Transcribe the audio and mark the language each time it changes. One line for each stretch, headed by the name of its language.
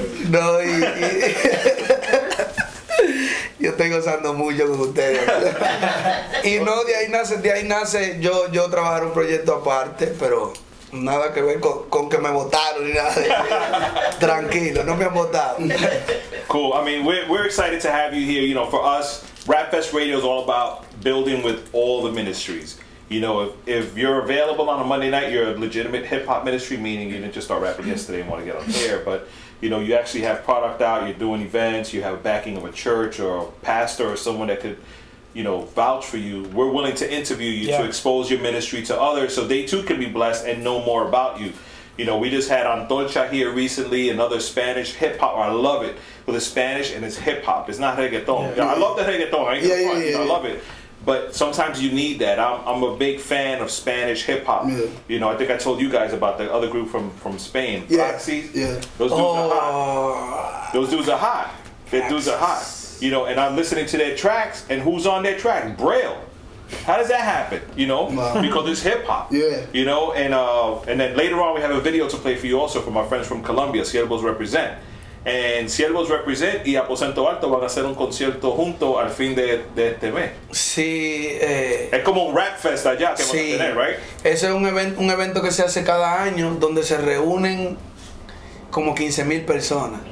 Spanish: No, y yo estoy gozando mucho con ustedes. Y no, de ahí nace yo trabajar un proyecto aparte, pero nada que ver con que me votaron ni nada. Tranquilo, no me han votado.
English: Cool. I mean, we're excited to have you here. You know, for us, Rapfest Radio is all about building with all the ministries. You know, if you're available on a Monday night, you're a legitimate hip-hop ministry, meaning you didn't just start rapping yesterday and want to get on air, but, you know, you actually have product out, you're doing events, you have backing of a church or a pastor or someone that could, you know, vouch for you. We're willing to interview you to expose your ministry to others so they too can be blessed and know more about you. You know, we just had Antocha here recently, another Spanish hip-hop. I love it. With the Spanish and it's hip-hop. It's not reggaeton. Yeah. I love the reggaeton. I ain't gonna front. You know, I love it. But sometimes you need that. I'm a big fan of Spanish hip hop. Yeah. You know, I think I told you guys about the other group from Spain. Yeah. Proxies. Yeah. Those dudes are hot. Their dudes are hot. You know, and I'm listening to their tracks, and who's on their track? Braille. How does that happen? You know? Wow. Because it's hip hop. Yeah. You know, and then later on we have a video to play for you also from our friends from Colombia, Siervos Represent.
Spanish: en Ciervos Represent y Aposento Alto van a hacer un concierto junto al fin de este mes. Sí. Es como un rap fest allá que sí, vamos a tener, ¿right? Ese es un evento que se hace cada año donde se reúnen como 15,000 personas.